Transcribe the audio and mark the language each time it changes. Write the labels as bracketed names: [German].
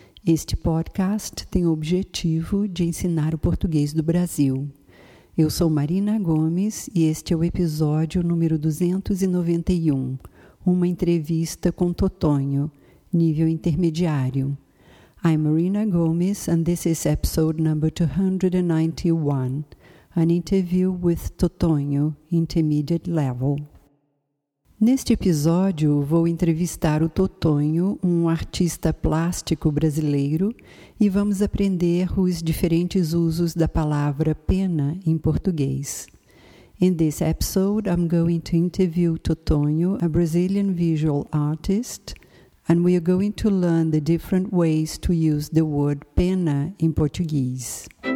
[Portuguese] Este podcast tem o objetivo de ensinar o português do Brasil. Eu sou Marina Gomes e este é o episódio número 291, uma entrevista com Totonho, nível intermediário. [English] I'm Marina Gomes and this is episode number 291. An interview with Totonho, intermediate level. [Portuguese] Neste episódio, vou entrevistar o Totonho, um artista plástico brasileiro, e vamos aprender os diferentes usos da palavra pena em português. [English] In this episode, I'm going to interview Totonho, a Brazilian visual artist, and we are going to learn the different ways to use the word pena in Portuguese.